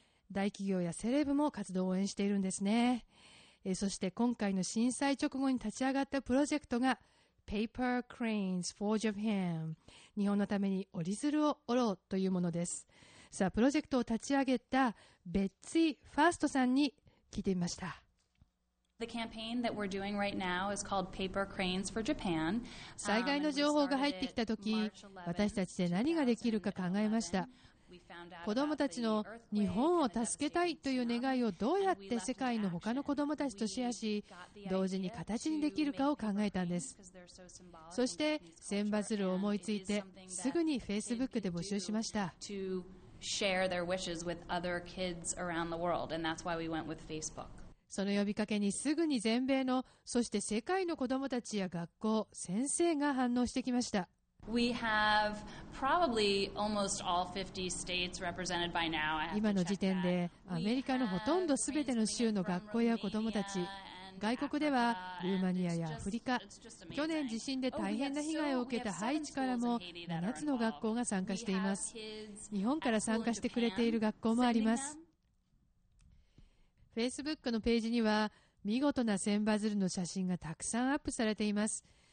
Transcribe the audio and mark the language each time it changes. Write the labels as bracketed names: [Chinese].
[Japanese] 大企業やセレブも活動を応援しているんですね。そして今回の震災直後に立ち上がったプロジェクトが Paper Cranes for Japan、 日本のために折り鶴を折ろうというものです。さあ、プロジェクトを立ち上げたベッツィ・ファーストさんに聞いてみました。 [English] The campaign that we're doing right now is called Paper Cranes for Japan. [Japanese] 災害の情報が入ってきた時、私たちで何ができるか考えました。子どもたちの日本を助けたいという願いをどうやって世界の他の子どもたちとシェアし、同時に形にできるかを考えたんです。そして千羽鶴を思いついて、すぐに Facebook で募集しました。 [English] Share their wishes with other kids around the world, and that's why we went with Facebook. [Japanese] その呼びかけにすぐに全米の、そして世界の子どもたちや学校、先生が反応してきました。 [English] We have probably almost all 50 states represented by now. [Japanese] 今の時点でアメリカのほとんどすべての州の学校や子どもたち、外国ではルーマニアやアフリカ、去年地震で大変な被害を受けたハイチからも7つの学校が参加しています。日本から参加してくれている学校もあります。Facebook のページには見事な千羽鶴の写真がたくさんアップされています。